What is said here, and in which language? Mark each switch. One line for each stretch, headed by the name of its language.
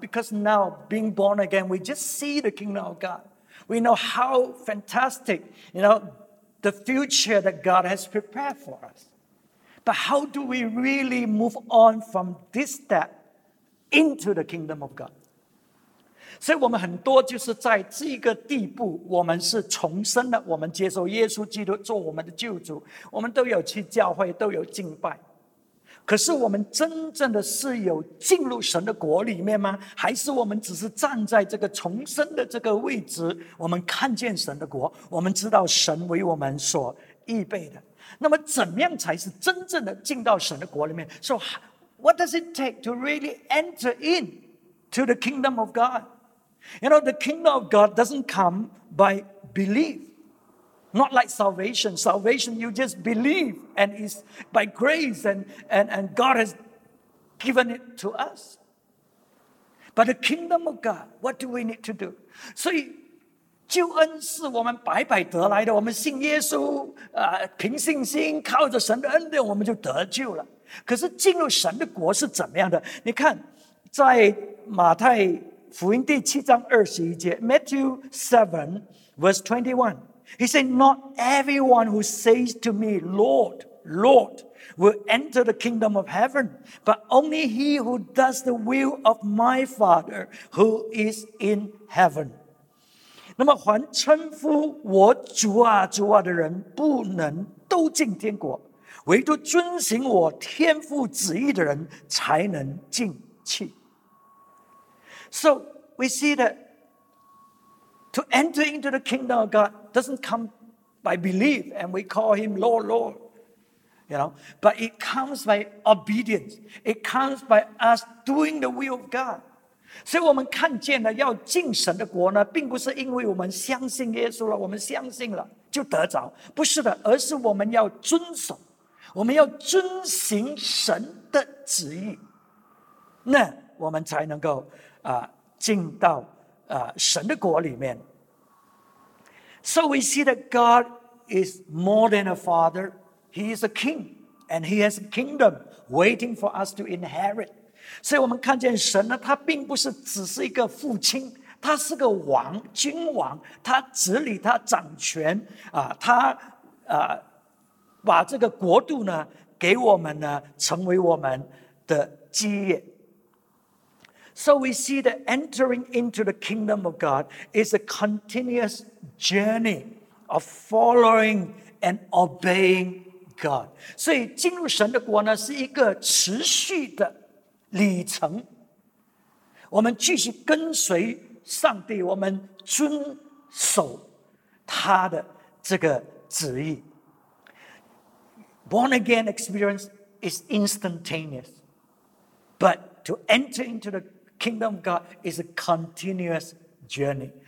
English: Because now, being born again, we just see the kingdom of God. We know how fantastic, you know, the future that God has prepared for us. But how do we really move on from this step into the kingdom of God?
Chinese: 所以我们很多就是在这个地步，我们是重生的，我们接受耶稣基督做我们的救主，我们都有去教会，都有敬拜。可是我们真正的是有进入神的国里面吗？还是我们只是站在这个重生的这个位置，我们看见神的国，我们知道神为我们所预备的？那么怎样才是真正的进到神的国里面？
English: So what does it take to really enter in to the kingdom of God? You know, the kingdom of God doesn't come by belief. Not like salvation. Salvation, you just believe and it's by grace and God has given it to us. But the kingdom of God, what do we need to do?
Chinese: 所以救恩是我们白白得来的，我们信耶稣凭信心靠着神的恩典我们就得救了。可是进入神的国是怎么样的？你看在马太福音第七章二十一节，
English: Matthew 7 verse 21, he said, not everyone who says to me, Lord, Lord, will enter the kingdom of heaven, but only he who does the will of my Father who is in heaven.
Chinese: 那么凡称呼我主啊主啊的人不能都进天国，唯独遵行我天父旨意的人才能进去。
English: So we see that to enter into the kingdom of God doesn't come by belief and we call him Lord, Lord, you know, but it comes by obedience. It comes by us doing the will of God.
Chinese: 所以我们看见了要进神的国呢，并不是因为我们相信耶稣了，我们相信了就得着，不是的，而是我们要遵守，我们要遵行神的旨意，那我们才能够进到神的国里面。
English: So we see that God is more than a father. He is a king and he has a kingdom waiting for us to inherit.
Chinese: 所以我们看见神呢，他并不是只是一个父亲，他是个王，君王，他治理，他掌权他把这个国度呢给我们呢，成为我们的基业。
English: So we see that entering into the kingdom of God is a continuous journey of following and obeying God.
Chinese: 所以进入神的国呢是一个持续的旅程，我们继续跟随上帝，我们遵守他的这个旨意。
English: Born again experience is instantaneous, but to enter into theKingdom of God is a continuous journey.